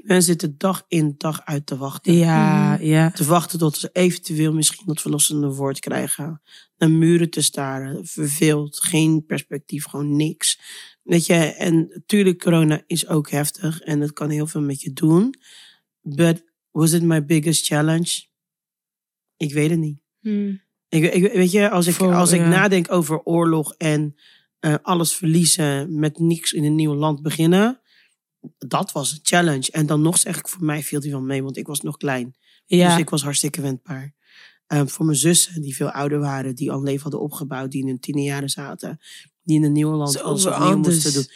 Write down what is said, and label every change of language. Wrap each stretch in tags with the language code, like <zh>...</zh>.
<nl>Mensen zitten dag in dag uit te wachten. Ja, mm-hmm. Te wachten tot ze eventueel misschien dat verlossende woord krijgen. Naar muren te staren, verveeld, geen perspectief, gewoon niks. Weet je, en natuurlijk, corona is ook heftig en dat kan heel veel met je doen.</nl> <en>But was it my biggest challenge?</en> <nl>Ik weet het niet. Mm. Ik weet je, als ik nadenk over oorlog en... alles verliezen, met niks in een nieuw land beginnen. Dat was een challenge. En dan nog, zeg ik, voor mij viel die wel mee, want ik was nog klein. Ja. Dus ik was hartstikke wendbaar. Voor mijn zussen, die veel ouder waren, die al leven hadden opgebouwd, die in hun tienerjaren zaten, die in een nieuw land alles opnieuw moesten doen.</nl>